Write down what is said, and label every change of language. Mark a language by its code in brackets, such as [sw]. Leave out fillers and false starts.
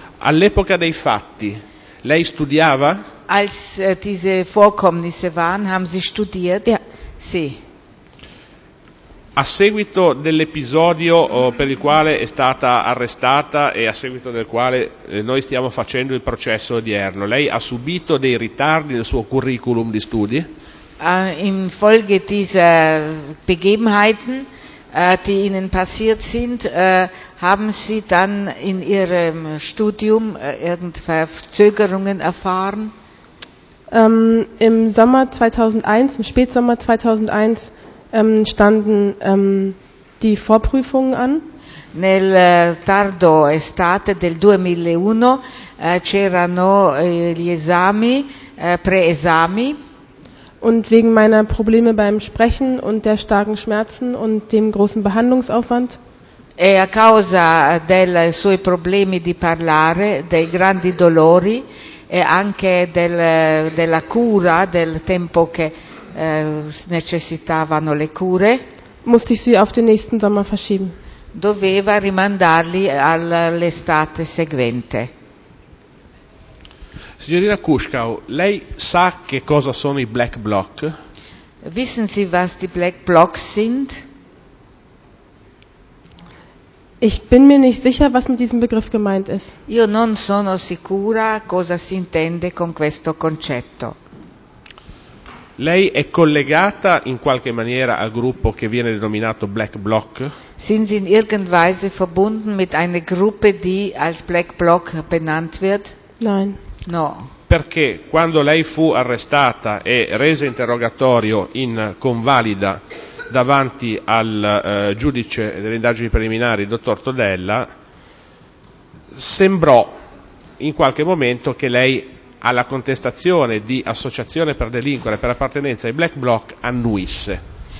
[it] All'epoca dei fatti, lei studiava? [de] Als diese Vorkommnisse waren, haben Sie studiert? Ja. [it] Sì. A seguito dell'episodio per il quale è stata arrestata e a seguito del quale noi stiamo facendo il processo odierno, lei ha subito dei ritardi nel suo curriculum di studi? [de] Infolge dieser Begebenheiten, die Ihnen passiert sind, haben Sie dann in Ihrem Studium irgendwelche Verzögerungen erfahren? Im Sommer 2001, im Spätsommer 2001, standen die Vorprüfungen an. [it] Nel tardo estate del 2001 c'erano gli esami, preesami. [de] Und wegen meiner Probleme beim Sprechen und der starken Schmerzen und dem großen Behandlungsaufwand. [it] E a causa dei suoi problemi di parlare, dei grandi dolori e anche della cura, del tempo che necessitavano le cure, [de] musste ich sie auf den nächsten Sommer verschieben. [it] Doveva rimandarli all'estate seguente. Signorina Kuschkau, lei sa che cosa sono i black block? [de] Wissen Sie, was die black blocks sind? Ich bin mir nicht sicher, was mit diesem Begriff gemeint ist. [it] Io non sono sicura cosa si intende con questo concetto. Lei è collegata in qualche maniera al gruppo che viene denominato black block? [de] Sind Sie in irgendeiner Weise verbunden mit einer Gruppe, die als black block benannt wird? Nein. [it] No. Perché quando lei fu arrestata e resa interrogatorio in convalida davanti al giudice delle indagini preliminari, dottor Todella, sembrò in qualche momento che lei alla contestazione di associazione per delinquere per appartenenza ai black bloc annuisse.